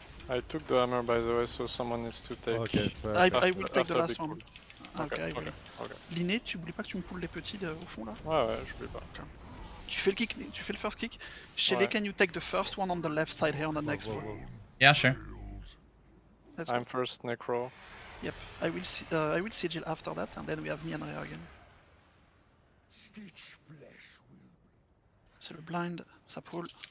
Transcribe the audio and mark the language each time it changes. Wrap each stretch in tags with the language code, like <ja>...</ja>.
<en>I took the hammer, by the way, so someone needs to take. Okay, I will take the last one. Okay.</en> <fr>Liné, tu oublies pas que tu me pulls les petits au fond là? Ouais, j'oublie pas. Okay. Tu fais le kick, tu fais le first kick.</fr> <en>Shelly, ouais. Can you take the first one on the left side here on the next one? Yeah, sure. Let's I'm go. First necro. Yep, I will sigil after that, and then we have me and Rhea again.</en> <fr>Stitch flesh. C'est le blind, ça pull.</fr>